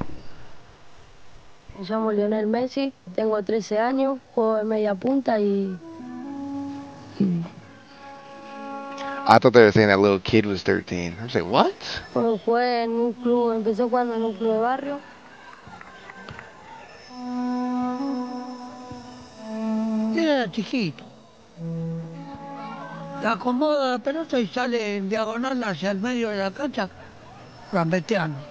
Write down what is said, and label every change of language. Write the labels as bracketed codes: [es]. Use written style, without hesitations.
[es] Me llamo Lionel Messi, tengo 13 años, juego de media punta y... [en] I thought they were saying that little kid was 13. I'm saying, what? [es] Cuando fue en un club, empezó jugando en un club de barrio. Era chiquito. Le acomoda la pelota y sale en diagonal hacia el medio de la cancha, gambeteando.